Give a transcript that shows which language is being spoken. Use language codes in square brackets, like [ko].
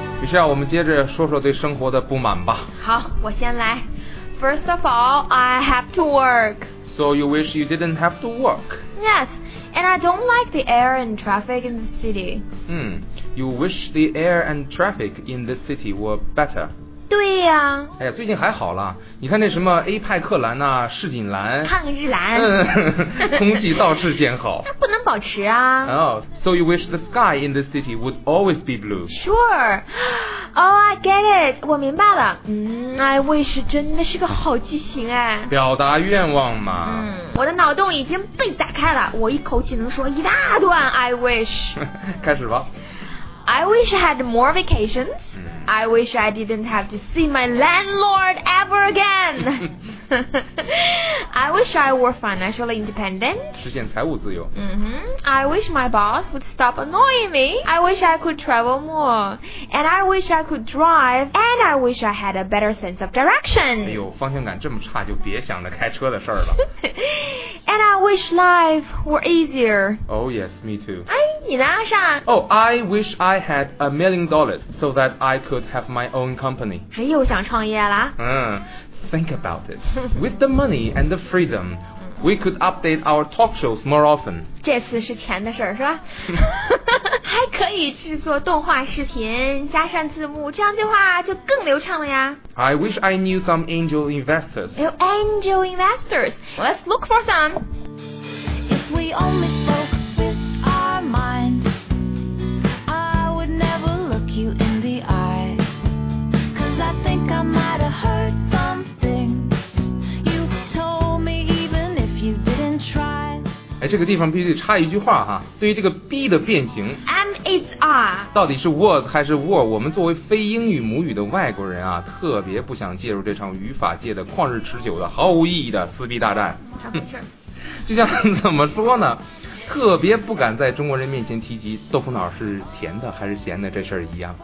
[zh] 这样我们接着说说对生活的不满吧。好，我先来。 [en] First of all, I have to work. So you wish you didn't have to work? Yes, and I don't like the air and traffic in the city. You wish the air and traffic in the city were better? [zh] 对呀、哎呀，最近还好了，你看那什么 A 派克蓝啊，市井蓝，抗日蓝，空气倒是见好。那不能保持啊。 [en] So you wish the sky in the city would always be blue? Sure. Oh, I get it. [zh] 我明白了。 [en] I wish [zh] 真的是个好记性哎。表达愿望嘛。我的脑洞已经被打开了，我一口气能说一大段 [en] I wish. [zh] 开始吧。 [en] I wish I had more vacations. I wish I didn't have to see my landlord ever again. I wish I were financially independent. [zh] 实现财务自由。 [en] I wish my boss would stop annoying me. I wish I could travel more. And I wish I could drive. And I wish I had a better sense of direction. [zh] 哎呦，方向感这么差，就别想着开车的事儿了。 [en] And I wish life were easier. Oh yes, me too. [zh] 哎，你呢，上？ [en] Oh, I wish I had $1 million so that I could have my own company. [zh] 哎，又想创业啦？ [en] Think about it. With the money and the freedom, we could update our talk shows more often. [zh] 这次是钱的事儿，是吧？还可以制作动画视频，加上字幕，这样的话就更流畅了呀。 [en] I wish I knew some angel investors. Oh, angel investors. Let's look for some. If we only spoke with our minds, I would never look you in the eye. Cause I think I might have heard some things you told me even if you didn't try. [zh] 哎，这个地方必须得插一句话哈，对于这个 be 的变形。 [en] It's are [zh] 到底是 was 还是 were， 我们作为非英语母语的外国人啊，特别不想介入这场语法界的旷日持久的毫无意义的撕逼大战。就像怎么说呢，特别不敢在中国人面前提及豆腐脑是甜的还是咸的这事儿一样。